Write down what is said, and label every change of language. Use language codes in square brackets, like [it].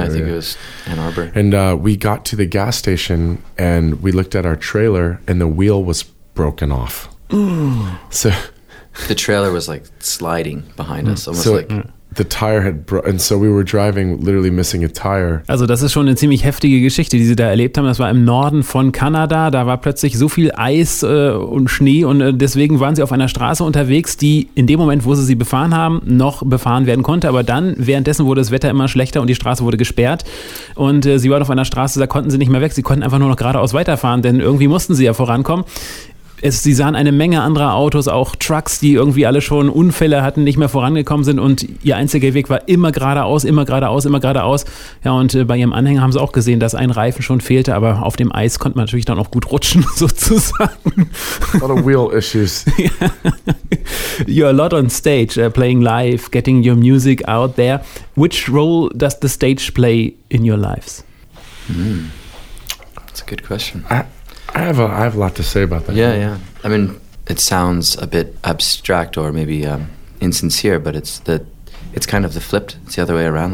[en] Yeah, area. I think it was Ann Arbor. And we got to the gas station, and we looked at our trailer, and the wheel was broken off. So the trailer was like sliding behind us, almost so like. The tire had broken, and so we were driving literally missing a tire. [de] Also das ist schon eine ziemlich heftige Geschichte, die sie da erlebt haben. Das war im Norden von Kanada, da war plötzlich so viel Eis und Schnee und deswegen waren sie auf einer Straße unterwegs, die in dem Moment, wo sie sie befahren haben, noch befahren werden konnte, aber dann währenddessen wurde das Wetter immer schlechter und die Straße wurde gesperrt und sie waren auf einer Straße, da konnten sie nicht mehr weg, sie konnten einfach nur noch geradeaus weiterfahren, denn irgendwie mussten sie ja vorankommen. Sie sahen eine Menge anderer Autos, auch Trucks, die irgendwie alle schon Unfälle hatten, nicht mehr vorangekommen sind und ihr einziger Weg war immer geradeaus, immer geradeaus, immer geradeaus. Ja, und bei ihrem Anhänger haben sie auch gesehen, dass ein Reifen schon fehlte, aber auf dem Eis konnte man natürlich dann auch gut rutschen, sozusagen. [en] A lot of wheel issues. Yeah. You're a lot on stage, playing live, getting your music out there. Which role does the stage play in your lives? That's a good question. I have a lot to say about that. Yeah, yeah. I mean, it sounds a bit abstract or maybe insincere, but it's kind of the flipped. It's the other way around.